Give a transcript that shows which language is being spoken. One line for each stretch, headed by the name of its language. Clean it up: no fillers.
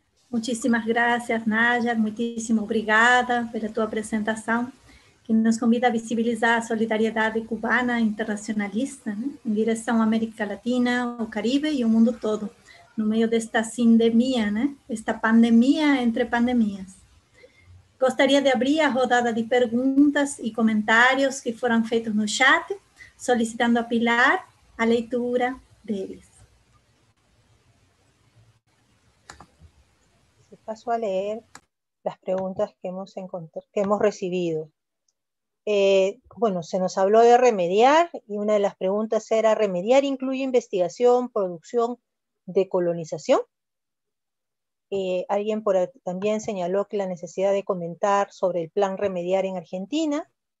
Spanish: Muchísimas gracias, Nayar. Muchísimo
Portuguese: obrigada
Spanish: por tu presentación, que nos convida a visibilizar la solidaridad cubana internacionalista, ¿no? En dirección a América Latina, o Caribe y el mundo todo, en medio de esta sindemia, ¿no? Esta pandemia entre pandemias.
Portuguese: Gostaria de abrir a rodada de perguntas e comentários que foram feitos no chat, solicitando a Pilar a leitura deles.
Spanish: Paso a leer
Portuguese: as perguntas
Spanish: que hemos recibido. Bueno, se nos habló de remediar,
Portuguese: e uma das perguntas era:
Spanish: ¿remediar incluye
Portuguese: investigação, produção, decolonização?
Spanish: Alguien por aquí también señaló que la necesidad de comentar sobre el plan remediar en Argentina.